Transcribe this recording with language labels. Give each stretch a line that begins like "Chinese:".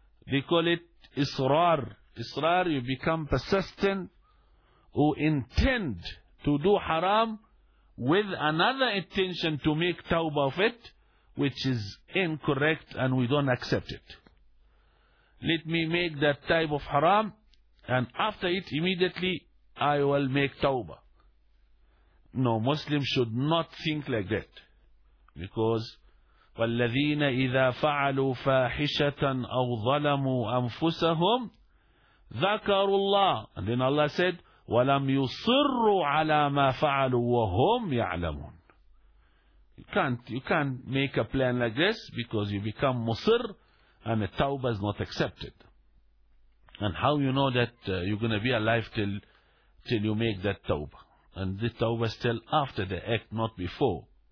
English: They call it israr. Israr, you become persistent who intend to do haram with another intention to make tawbah of it, which is incorrect and we don't accept it. Let me make that type of haram, and after it, immediately, I will make tawbah. No, Muslims should not think like that. Because,
Arabic: وَالَّذِينَ إِذَا فَعَلُوا فَاحِشَةً أَوْ ظَلَمُوا أَنفُسَهُمْ ذَكَرُوا اللَّهِ.
English: And then Allah said,
Arabic: وَلَمْ يُصِرُّوا عَلَى مَا فَعَلُوا وَهُمْ يَعْلَمُونَ.
English: You can't make a plan like this, because you become musir, and the tawbah is not accepted. And how you know that you're going to be alive till you make that tawbah? And the tawbah is still after the act, not before.